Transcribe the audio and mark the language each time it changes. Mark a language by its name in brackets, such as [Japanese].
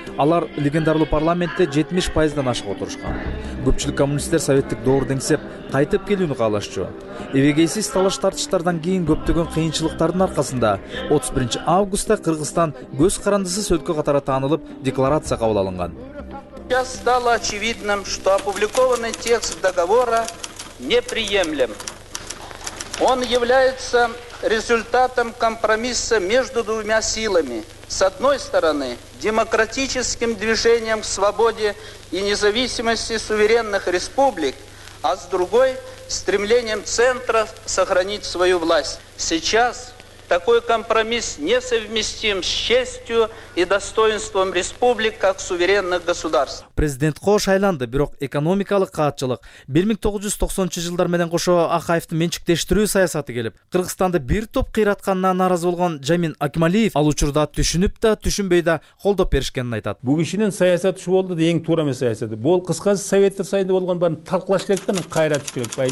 [Kyrgyz] Алар легендарлуу парламентте 70%дан ашык отурушкан. Көпчүлүк коммунисттер советтик доор деңсеп кайтып келүүнү каалашчу. Эбегейсиз талаш тартыштардан кийин көптөгөн кыйынчылыктардын аркасында 31 августта Кыргызстан көз карандысыз өлкө катары таанылып, декларация кабыл алынган. [Russian] Сейчас стало очевидным, что опубликованный текст договора неприемлем. Он является результатом компромисса между двумя силами. С одной стороны, демократическим движением к свободе и независимости суверенных республик, а с другой, стремлением центров сохранить свою власть. Сейчас такой компромисс несовместим с честью и достоинством республик как суверенных государств. [Kyrgyz] Президент кош айланды, бирок экономикалык каатчылык 1990-жылдар менен кошо Акаевди менчиктештирүү саясаты келип, Кыргызстанды бир топ кыйратканына нааразы болгон Жамин Акмалиев ал учурда түшүнүп да, түшүнбөй да колдоп беришкенин айтат. Бул кишинин саясаты ушу болду да, эң туура эмес саясаты. Бул кыскасы советтер сайында болгон баарын талкулаш керек да, кайра түш керек.